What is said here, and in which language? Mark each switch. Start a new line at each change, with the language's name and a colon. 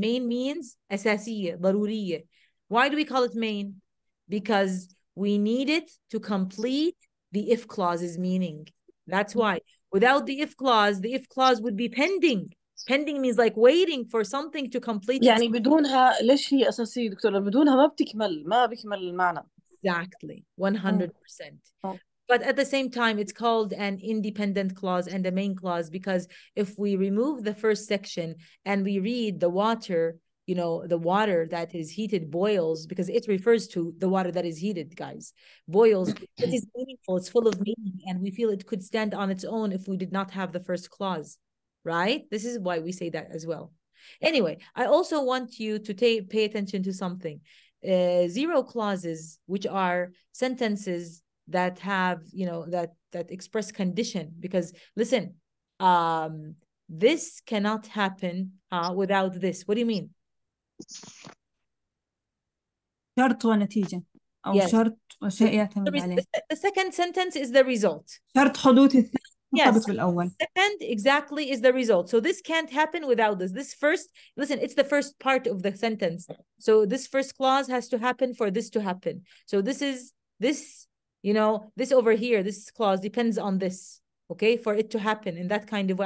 English: Main means
Arabic: asasiye, daruriye.
English: Why do we call it main? Because we need it to complete the if clause's meaning. That's why. Without the if clause would be pending. Pending means like waiting for something to complete.
Arabic: يعني بدونها ليش هي أساسية دكتور؟ بدونها ما بتكمل المعنى.
English: Exactly, 100%. But at the same time, it's called an independent clause and a main clause, because if we remove the first section and we read the water, you know, the water that is heated boils, because it refers to the water that is heated, guys, boils. It is meaningful. It's full of meaning. And we feel it could stand on its own if we did not have the first clause, right? This is why we say that as well. Anyway, I also want you to pay attention to something. Zero clauses, which are sentences that have, you know, that express condition, because listen, this cannot happen without this. What do you mean?
Arabic: شرط ونتيجة أو yes. شرط وشيء يعتمد عليه.
English: The second sentence is the result.
Arabic: شرط حدوث الثاني مرتبط بالأول.
English: Second exactly is the result. So this can't happen without this. This first, listen, it's the first part of the sentence. So this first clause has to happen for this to happen. So this is this, you know, this over here, this clause depends on this, okay, for it to happen in that kind of way.